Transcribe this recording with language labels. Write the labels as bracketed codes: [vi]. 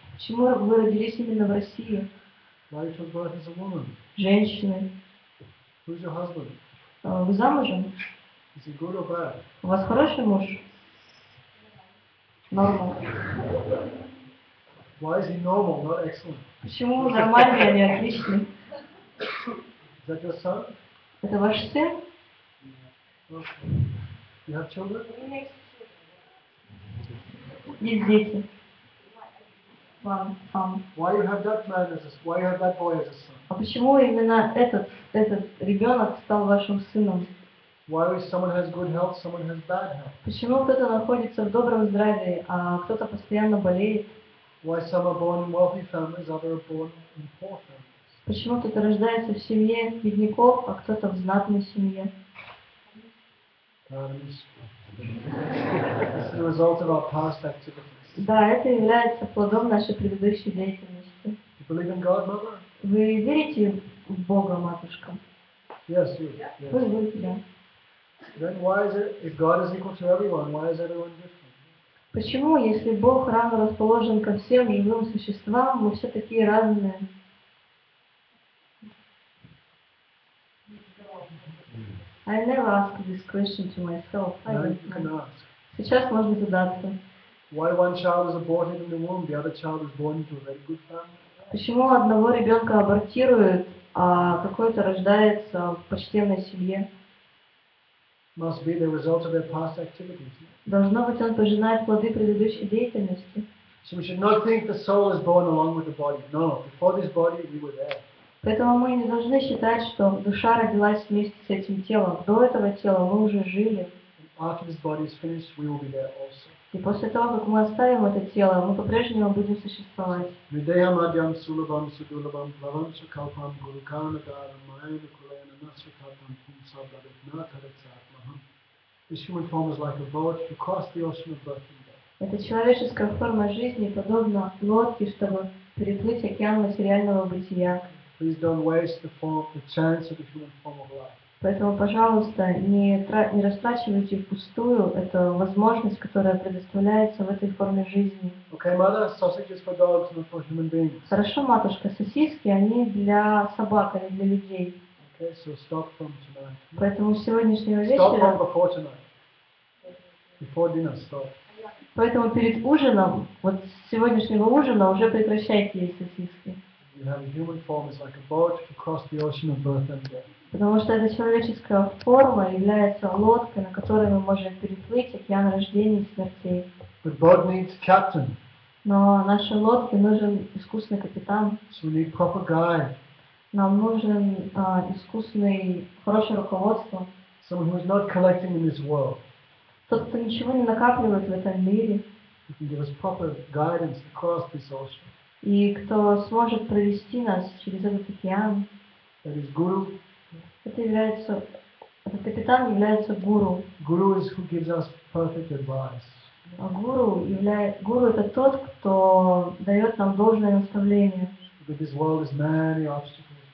[ru] Почему вы родились именно в России? [en] Why you took birth as a woman? [ru] Женщины. [en] Who's your husband? [ru] Вы замужем? [en] Is he good or bad? [ru] У вас хороший муж? Нормал. [en] Why is he normal, not excellent? [ru] Почему нормальный, а не отличный? [en] Is that your son? [ru] Это ваш сын? [en] Okay. You have children? [ru] Есть дети. Вам. [en] Why you have that man as a son? Why you have that boy as a son? [ru] А почему именно этот ребенок стал вашим сыном? [en] Why is someone has good health, someone has bad health? [ru] Почему кто-то находится в добром здравии, а кто-то постоянно болеет? [en] Why some are born in wealthy families, others are born in poor families? [ru] Почему кто-то рождается в семье бедняков, а кто-то в знатной семье? [en] This is the result of our past activities. [ru] Да, это является плодом нашей предыдущей деятельности. [en] Do you believe in God, mother? [ru] Вы верите в Бога, матушка? [en] Yes, you. Yes. [ru] Вы верите, да. [en] Then why is it, if God is equal to everyone, why is everyone different? [ru] Почему, если Бог равно расположен ко всем живым существам, мы все такие разные? [en] I never asked this question to myself. Now you can ask. [ru] Сейчас можно задаться. [en] Why one child is aborted in the womb, the other child is born into a very good family? [ru] Почему одного ребенка абортируют, а какой-то рождается в почтенной семье? [en] Must be the result of their past activities. [ru] Должно быть, он пожинает плоды предыдущей деятельности. [en] So we should not think the soul is born along with the body. No, before this body, we were there. [ru] Поэтому мы не должны считать, что душа родилась вместе с этим телом. До этого тела мы уже жили. [en] And after this body is finished, we will be there also. [ru] И после того, как мы оставим это тело, мы по-прежнему будем существовать. [sa] Видеям адьям сулабам судулабам плавам сукалпам гурукана дарам майна кулена насрикалпам кумсабдарит натарецат махам. [en] This human form is like a boat. You cross the ocean of birth and death. [ru] Эта человеческая форма жизни подобна лодке, чтобы переплыть океан материального бытия. [en] Please don't waste the form, the chance of the human form of life. [ru] Поэтому, пожалуйста, не растрачивайте впустую эту возможность, которая предоставляется в этой форме жизни. [en] Okay, mother, sausages for dogs, not for human beings. [ru] Хорошо, матушка, сосиски, они для собак, а не для людей. [en] Okay, so stop from tonight. [ru] Поэтому с сегодняшнего вечера... [en] Stop from before tonight. Before dinner, stop. [ru] Поэтому перед ужином, вот с сегодняшнего ужина уже прекращайте есть сосиски. [en] You have a human form, it's like a boat to cross the ocean of birth and death. [ru] Потому что эта человеческая форма является лодкой, на которой мы можем переплыть океан рождения и смертей. [en] But boat needs captain. [ru] Но нашей лодке нужен искусный капитан. [en] So we need proper guide. [ru] Нам нужен искусный, хорошее руководство. [en] Someone who is not collecting in this world. [ru] Тот, кто ничего не накапливает в этом мире. [en] He can give us proper guidance across this ocean. [ru] И кто сможет провести нас через этот океан. [en] That is guru. [ru] Этот капитан является гуру. [en] Guru is who gives us perfect advice. [ru] А гуру это тот, кто дает нам должное наставление. [en] Because this world is many obstacles.